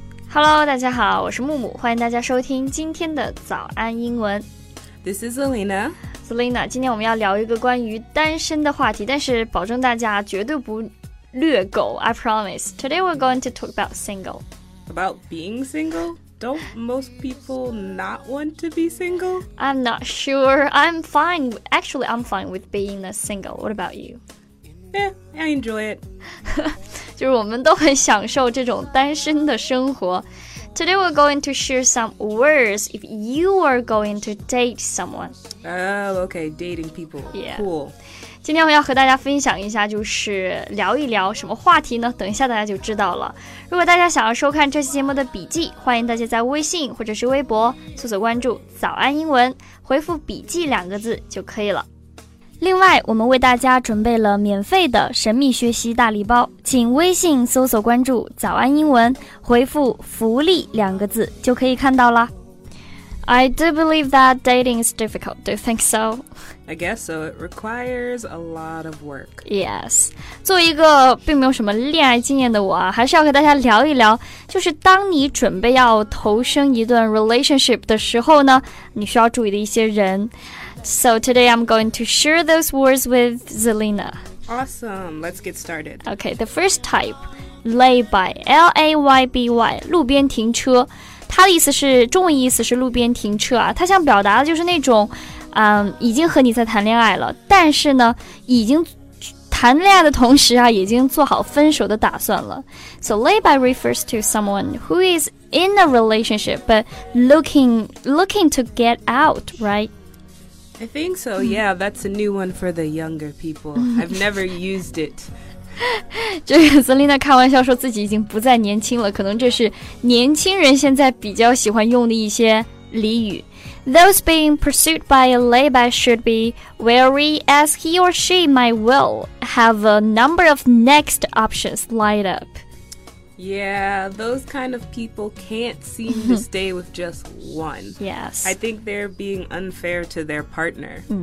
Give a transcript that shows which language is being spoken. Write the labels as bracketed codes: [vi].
[zh] Hello, 大家好，我是木木，欢迎大家收听今天的早安英文。 [en] This is Selena. [zh] Selena, 今天我们要聊一个关于单身的话题，但是保证大家绝对不略狗 [en] I promise. Today we're going to talk about single. About being single? Don't most people not want to be single? I'm not sure. I'm fine. Actually, I'm fine with being a single. What about you? Yeah, I enjoy it. [zh] 就是我们都很享受这种单身的生活。 [en] Today we're going to share some words if you are going to date someone. Oh, okay, dating people. Yeah. Cool. [zh] 今天我要和大家分享一下，就是聊一聊什么话题呢？等一下大家就知道了。如果大家想要收看这期节目的笔记，欢迎大家在微信或者是微博搜索关注“早安英文”，回复“笔记”两个字就可以了。另外，我们为大家准备了免费的神秘学习大礼包，请微信搜索关注“早安英文”，回复“福利”两个字就可以看到了。 [en] I do believe that dating is difficult. Do you think so? I guess so. It requires a lot of work. Yes. [zh] 作为一个并没有什么恋爱经验的我啊，还是要和大家聊一聊，就是当你准备要投身一段 relationship 的时候呢，你需要注意的一些人。 [en] So today I'm going to share those words with Zelina. Awesome, let's get started. Okay, the first type, layby, L-A-Y-B-Y, [zh] 路边停车。它的意思是，中文意思是路边停车啊。它想表达的就是那种，已经和你在谈恋爱了，但是呢，已经谈恋爱的同时啊，已经做好分手的打算了。 [en] So layby refers to someone who is in a relationship, but looking to get out, right? I think so, yeah, that's a new one for the younger people. I've never used it. [zh] 这个 Selena 开玩笑说自己已经不再年轻了，可能这是年轻人现在比较喜欢用的一些俚语。 [en] Those being pursued by a layby should be wary as he or she might well have a number of next options lined up. Yeah, those kind of people can't seem to stay with just one. Yes. I think they're being unfair to their partner.